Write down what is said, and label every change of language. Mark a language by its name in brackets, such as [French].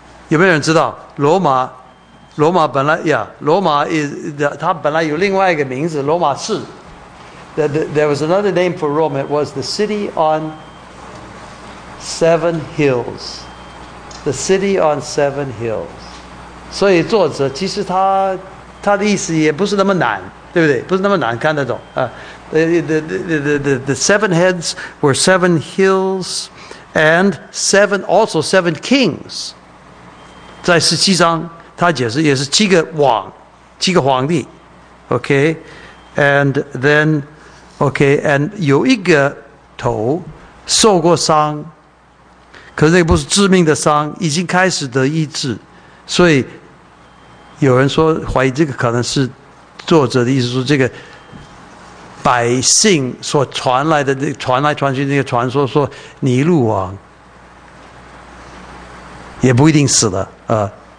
[Chinese] 有没有人知道罗马本来呀，罗马它本来有另外一个名字，罗马市。 [English] There was another name for Rome. It was the city on seven hills. The city on seven hills. [Chinese] 所以作者其实他的意思也不是那么难，对不对？不是那么难看得懂啊。 [English] The seven heads were seven hills, and seven kings. [Chinese] 在十七章。他解释也是七个王，七个皇帝 ，OK， [English] and then OK， and [Chinese] 有一个头受过伤，可是那个不是致命的伤，已经开始得医治，所以有人说怀疑这个可能是作者的意思说这个百姓所传来的那传来传去那个传说说尼禄王也不一定死了啊。